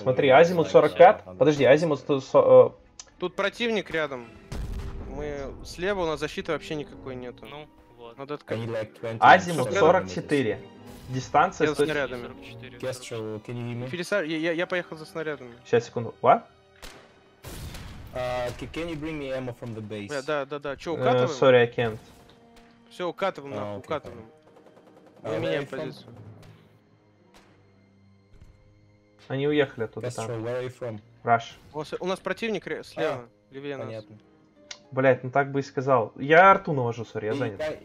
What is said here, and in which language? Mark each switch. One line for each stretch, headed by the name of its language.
Russian: Смотри, азимут 45. Подожди, азимут 140. Тут противник рядом. Мы слева, у нас защиты вообще никакой нету. Ну, вот. Надо открыть. Азимут 44. Дистанция 144. Пересаж, я поехал за снарядами. Сейчас, секунду.
English: What? Can you bring me ammo from the base?
Russian: Да. Че, укатываем?
English: Sorry, I can't.
Russian: Все, укатываем, нахуй, okay, укатываем. Мы меняем позицию. Они уехали оттуда. Castro, там.
English: Where are you from? Rush.
Russian: У нас противник слева, левее нас. Понятно. Блять, ну так бы и сказал. Я арту навожу, сори, я занят.